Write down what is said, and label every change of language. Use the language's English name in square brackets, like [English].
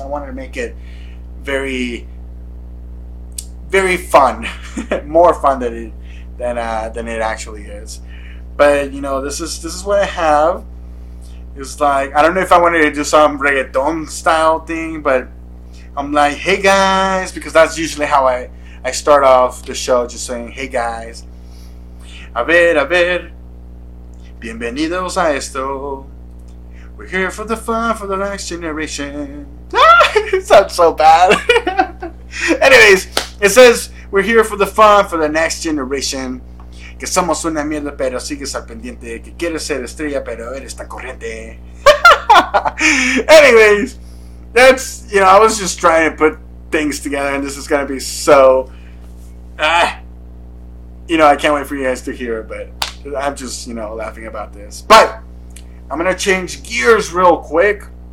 [English] I wanted to make it very, very fun, more fun than it actually is. But you know, this is what I have. It's like, I don't know if I wanted to do some reggaeton style thing, but I'm like, hey guys, because that's usually how I start off the show, just saying, hey guys. [Spanish] A ver, bienvenidos a esto. [English] We're here for the fun for the next generation. It sounds so bad. Anyways, it says we're here for the fun for the next generation. [Spanish] Que somos una mierda, pero sigues al pendiente. Que quieres ser estrella, pero eres tan corriente. [English] Anyways, that's, you know, I was just trying to put things together, and this is going to be so, you know, I can't wait for you guys to hear it, but I'm just, you know, laughing about this. But I'm going to change gears real quick.